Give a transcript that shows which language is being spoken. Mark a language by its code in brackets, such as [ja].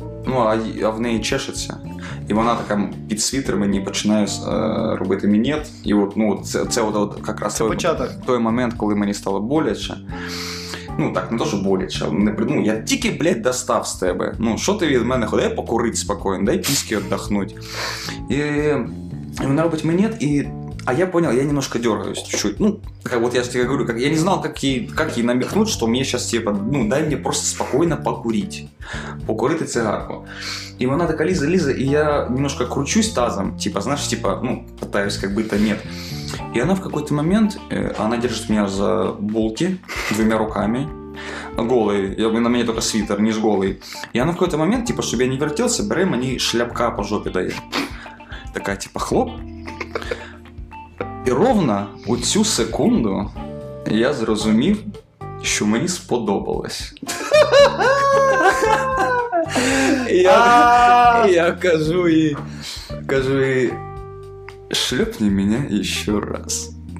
[uk] Ну, а в неї чешеться, і вона така під світер мені починає робити мінет, і от, ну, це от якраз це початок. Той момент, коли мені стало боляче. Ну, так, не то, що боляче, не, ну, я тільки, блядь, достав з тебе. Ну, що ти від мене ходиш? Дай покурити спокійно, дай піски віддохнути. І вона робить мінет, і... [ru] А я понял, я немножко дергаюсь чуть-чуть. Ну, как вот я же тебе говорю, как, я не знал, как ей намекнуть, что мне сейчас типа, ну, дай мне просто спокойно покурить. Покурить цигарку. И она такая: Лиза, Лиза, и я немножко кручусь тазом, типа, знаешь, типа, ну, пытаюсь, как бы то нет. И она в какой-то момент, она держит меня за булки двумя руками. Голый, на меня только свитер, не с голой. И она в какой-то момент, типа, чтобы я не вертелся, бери мне шляпка по жопе дает. Такая, типа, хлоп. [uk] І ровно у цю секунду я зрозумів, що мені сподобалось. Я кажу їй, шлепни мене ще раз.